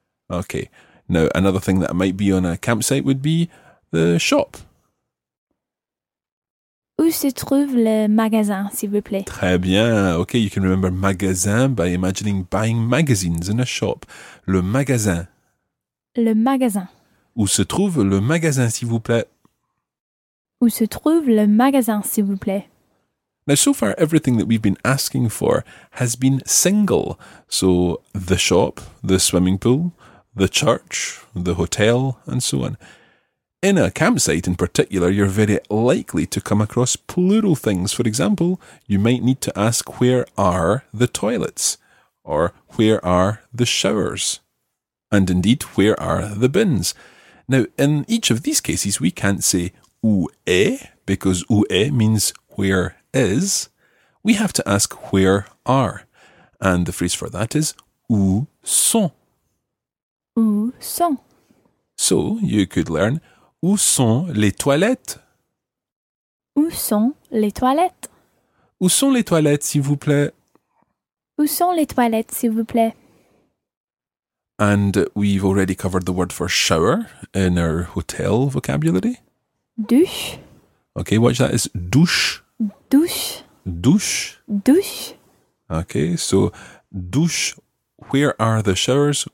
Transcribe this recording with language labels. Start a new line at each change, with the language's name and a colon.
English: Okay, now, another thing that might be on a campsite would be the shop.
French: Où se trouve le magasin, s'il vous plaît? Très bien.
English: OK, you can remember magasin by imagining buying magazines in a shop.
French: Le magasin. Le magasin. Où se trouve le magasin, s'il vous plaît? Où se trouve le magasin, s'il vous plaît?
English: Now, so far, everything that we've been asking for has been single. So, the shop, the swimming pool, the church, the hotel, and so on. In a campsite in particular, you're very likely to come across plural things. For example, you might need to ask, where are the toilets? Or, where are the showers? And indeed, where are the bins? Now, in each of these cases, we can't say,
French: où est,
English: because où est means where is. We have to ask, where are? And the phrase for that is,
French: où sont? Où sont?
English: So, you could learn,
French: où sont les toilettes? Où sont les toilettes? Où sont les toilettes, s'il vous plaît? Où sont les toilettes, s'il vous plaît?
English: And we've already covered the word for shower in our hotel vocabulary.
French: Douche.
English: Okay, watch that. It's douche.
French: Douche. Douche. Douche.
English: Okay, so douche. Where are the showers?